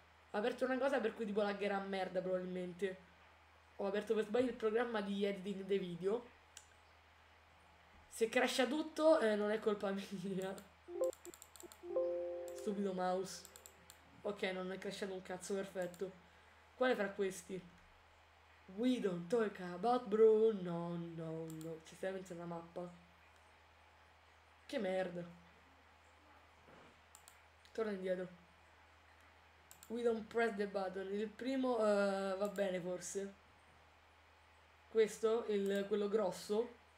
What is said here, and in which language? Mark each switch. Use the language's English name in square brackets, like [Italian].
[Italian] Ho aperto una cosa per cui tipo laggerà merda probabilmente. Ho aperto per sbaglio il programma di editing dei video. Se crasha tutto, non è colpa mia. Stupido mouse. Ok, non è crashato un cazzo, perfetto. Quale fra questi? [English] We don't talk about bro, no, no, no. [Italian] Ci stai pensando alla mappa. Che merda. Torna indietro. [English] We don't press the button. [Italian] Il primo va bene forse. Questo, il quello grosso.